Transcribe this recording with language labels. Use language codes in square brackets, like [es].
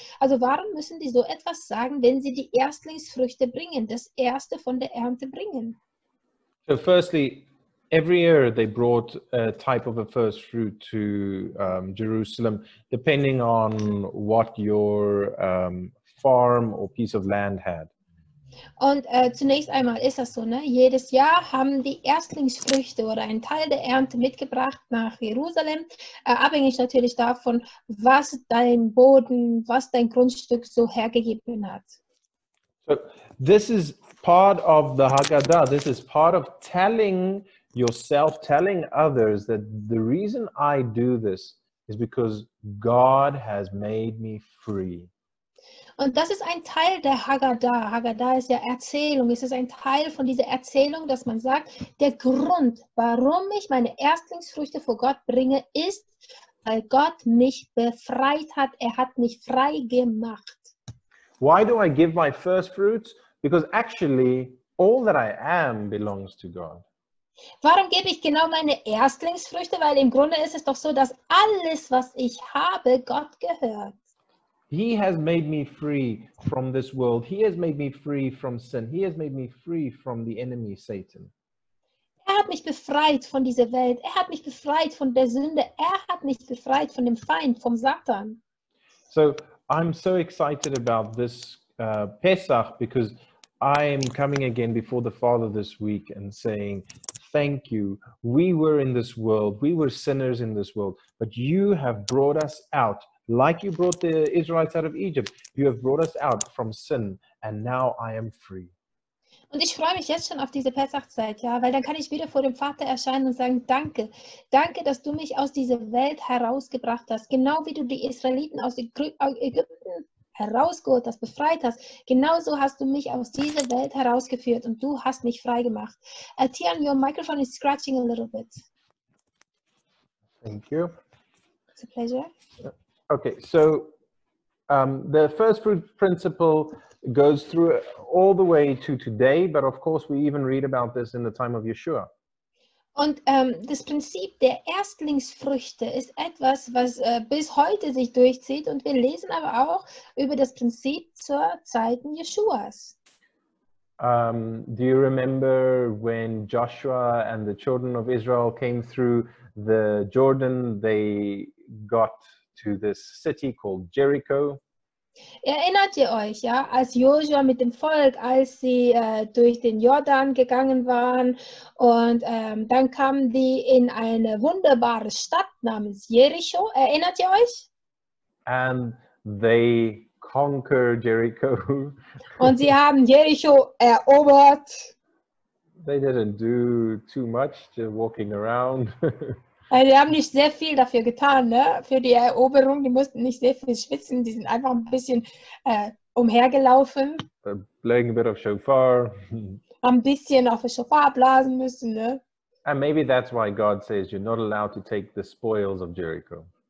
[de] Also warum müssen die so etwas sagen, wenn sie die Erstlingsfrüchte bringen, das Erste von der Ernte bringen? [en] So firstly, every year they brought a type of a first fruit to Jerusalem, depending on what your farm or piece of land had. [de] Und zunächst einmal ist das so, ne? Jedes Jahr haben die Erstlingsfrüchte oder einen Teil der Ernte mitgebracht nach Jerusalem, abhängig natürlich davon, was dein Boden, was dein Grundstück so hergegeben hat. [en] So, this is part of the Haggadah. This is part of telling yourself, telling others that the reason I do this is because God has made me free. [de] Und das ist ein Teil der Haggadah. Haggadah ist ja Erzählung. Es ist ein Teil von dieser Erzählung, dass man sagt, der Grund, warum ich meine Erstlingsfrüchte vor Gott bringe, ist, weil Gott mich befreit hat. Er hat mich frei gemacht. [en] Why do I give my first fruits? Because actually All that I am belongs to God. [de] Warum gebe ich genau meine Erstlingsfrüchte? Weil im Grunde ist es doch so, dass alles, was ich habe, Gott gehört. [en] He has made me free from this world. He has made me free from sin. He has made me free from the enemy, Satan. [de] Er hat mich befreit von dieser Welt. Er hat mich befreit von der Sünde. Er hat mich befreit von dem Feind, vom Satan. [en] So, I'm so excited about this Pesach, because I am coming again before the Father this week and saying, thank you. We were in this world. We were sinners in this world. But you have brought us out. Like you brought the Israelites out of Egypt, you have brought us out from sin, and now I am free. [de] Und ich freue mich jetzt schon auf diese Pesachzeit, ja, weil dann kann ich wieder vor dem Vater erscheinen und sagen, danke, danke, dass du mich aus dieser Welt herausgebracht hast, genau wie du die Israeliten aus Ägypten herausgeholt hast, befreit hast, genauso hast du mich aus dieser Welt herausgeführt und du hast mich freigemacht. [en] Tian, your microphone is scratching a little bit. Thank you. It's a pleasure. Yeah. Okay, so the first fruit principle goes through all the way to today, but of course we even read about this in the time of Yeshua. [de] Und das Prinzip der Erstlingsfrüchte ist etwas, was bis heute sich durchzieht, und wir lesen aber auch über das Prinzip zur Zeiten Yeshuas. [en] Do you remember when Joshua and the children of Israel came through the Jordan, they got to this city called Jericho. [de] Erinnert ihr euch, ja, als Joshua mit dem Volk, als sie durch den Jordan gegangen waren, und dann kamen die in eine wunderbare Stadt namens Jericho. Erinnert ihr euch? [en] And they conquered Jericho. [de] Und sie haben Jericho erobert. [en] They didn't do too much, just walking around. [de] Die haben nicht sehr viel dafür getan, ne? Für die Eroberung. Die mussten nicht sehr viel schwitzen. Die sind einfach ein bisschen umhergelaufen. [en] Playing a bit of shofar. [de] Ein bisschen auf den Shofar blasen müssen, ne? [en] And maybe that's why God says you're not allowed to take the spoils of Jericho.